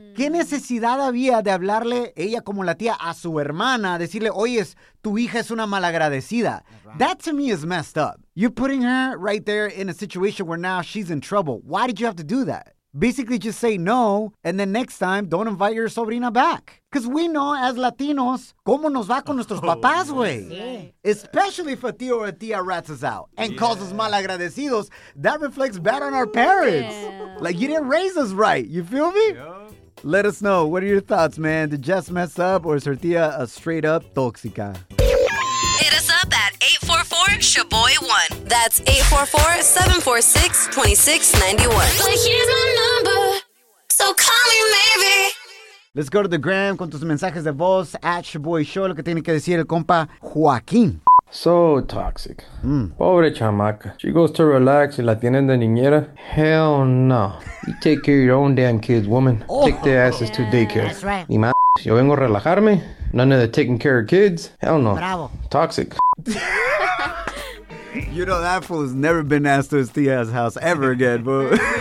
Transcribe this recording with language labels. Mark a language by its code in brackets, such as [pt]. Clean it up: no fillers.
[es] ¿Qué necesidad había de hablarle ella como la tía a su hermana? Decirle, oye, tu hija es una malagradecida. [en] Right. That to me is messed up. You're putting her right there in a situation where now she's in trouble. Why did you have to do that? Basically, just say no, and then next time, don't invite your sobrina back. Because we know, as Latinos, [es] ¿cómo nos va con nuestros papás, güey? [en] Especially if a tío or a tía rats us out and calls us malagradecidos. That reflects bad on our parents. Yeah. Like, you didn't raise us right. You feel me? Yep. Let us know. What are your thoughts, man? Did Jess mess up, or is her tía a straight-up tóxica? Hit us up at 844-SHABOY1. That's 844-746-2691. But here's my number, so call me maybe. Let's go to the gram [es] con tus mensajes de voz at Shaboy Show, lo que tiene que decir el compa Joaquín. [en] So toxic. [es] Pobre chamaca. [en] She goes to relax [es] y la tienen de niñera. [en] Hell no. You take care of your own damn kids, woman. Take their asses to daycare. That's right. Mi madre. [es] Yo vengo a relajarme. [en] None of the taking care of kids. Hell no. Bravo. Toxic. You know, that fool has never been asked to his tía's house ever again, boo.